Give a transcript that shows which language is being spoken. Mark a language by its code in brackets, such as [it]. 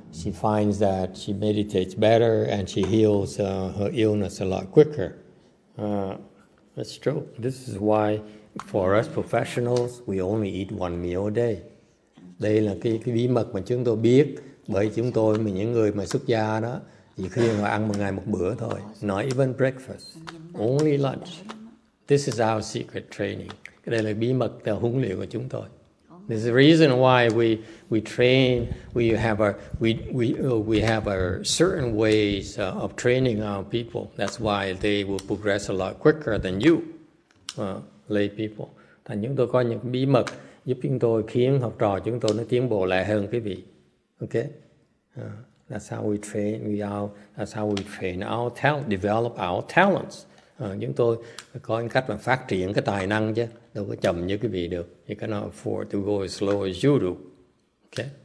[en] She finds that she meditates better and she heals her illness a lot quicker. That's true. This is why for us professionals, we only eat one meal a day. [vi] Đây là cái bí mật mà chúng tôi biết, bởi chúng tôi mà những người mà xuất gia đó, chỉ khi mà ăn một ngày một bữa thôi. [en] Not even breakfast, only lunch. This is our secret training. [vi] Đây là bí mật là huấn luyện của chúng tôi. [en] This is the reason why we train, we have our certain ways of training our people. That's why they will progress a lot quicker than you, lay people. [vi] Thành chúng tôi có những bí mật giúp chúng tôi khiến học trò chúng tôi nó tiến bộ lại hơn quý vị. [en] Okay? That's how we train our talent, develop our talents. [vi] Chúng tôi có những cách mà phát triển cái tài năng chứ. Đâu có chậm như quý vị được. [en] You cannot afford to go as slow as you do. Okay?